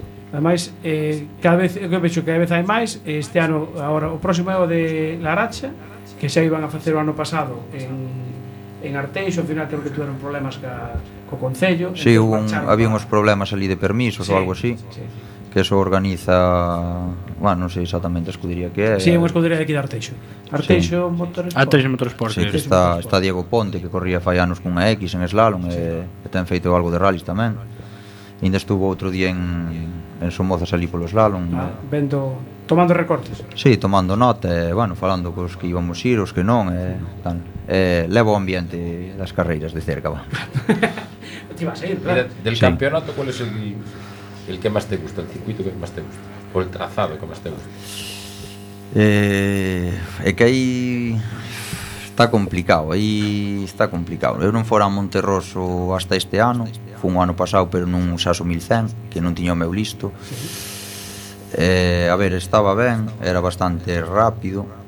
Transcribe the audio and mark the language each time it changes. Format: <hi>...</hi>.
<gl>Ademais, cada vez que vexo que cada vez hai máis, este ano agora o próximo é o de Laracha, que xa iban a facer o ano pasado en Arteixo, ao final creo que tuveron problemas co Concello.</gl> <es>Sí, había unos problemas ali de permisos,</es> <gl>sí, ou algo así, sí, que eso organiza, bueno, non sei exactamente a escudería que é. Sí, unha escudería de aquí de Arteixo, sí. Arteixo Motorsport. Sí, que está Diego Ponte, que corría fai anos cunha X en slalom, sí, e ten feito algo de rallies tamén. Ainda estuvo outro día en Somozas ali polo slalom. Ah, vendo... Tomando recortes. Sí, tomando nota, bueno, falando cos que íbamos ir, os que non, tan. Levo o ambiente das carreiras de cerca, va.</gl> <es>Te vas a ir, claro. Del, sí, campeonato, ¿cuál es el que más te gusta? ¿El circuito que más te gusta? ¿O el trazado que más te gusta?</es> <gl>Que aí está complicado. Eu non fora a Monterroso hasta este ano. Fui un ano pasado, pero nun Saso 1100, que non tiño o meu listo. Sí. A ver, estaba ben, era bastante rápido,</gl>